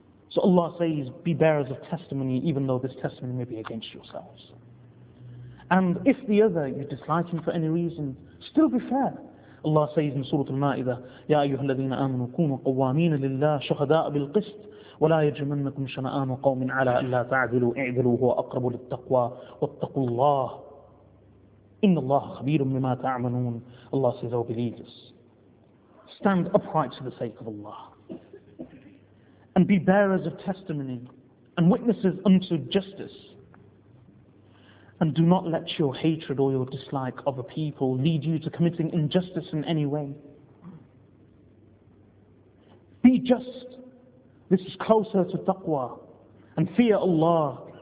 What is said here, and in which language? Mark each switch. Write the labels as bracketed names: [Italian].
[English] So Allah says, be bearers of testimony, even though this testimony may be against yourselves. And if the other, you dislike him for any reason, still be fair. Allah says in Surah Al-Ma'idah, [Arabic] يَا أَيُّهَا الَّذِينَ آمَنُوا كُونُوا قَوَّامِينَ لِلَّهِ شُهَدَاءَ بِالْقِسْطِ وَلَا يَجْرِمَنَّكُمْ شَنَآنُ قَوْمٍ عَلَىٰ أَلَّا تَعْدِلُوا اِعْدِلُوا هُوَ أَقْرَبُ لِلتَّقْوَى وَاتَّقُوا اللَّهَ إِنَّ اللَّهَ خَبِيرٌ بِمَا تَعْمَلُونَ [English] Allah says, O believers, stand upright for the sake of Allah. And be bearers of testimony and witnesses unto justice. And do not let your hatred or your dislike of a people lead you to committing injustice in any way. Be just. This is closer to taqwa. And fear Allah.